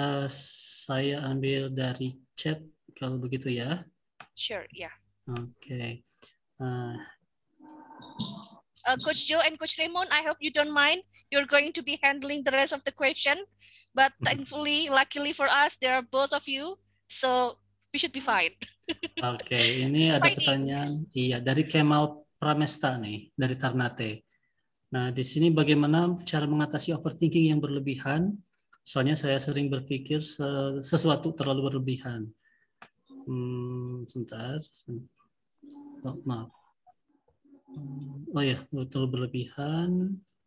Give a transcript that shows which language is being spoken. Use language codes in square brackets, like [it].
[id] Saya ambil dari chat, kalau begitu ya. [en] Sure, yeah. Okay. Coach Joe and Coach Raymond, I hope you don't mind. You're going to be handling the rest of the question. But thankfully, luckily for us, there are both of you. So we should be fine. [id] Okay, ini ada fighting. Pertanyaan. Iya, dari Kemal Pramesta nih, dari Ternate. Nah, di sini bagaimana cara mengatasi overthinking yang berlebihan? Soalnya saya sering berpikir sesuatu terlalu berlebihan. Sebentar. Oh, maaf. Oh ya, betul berlebihan.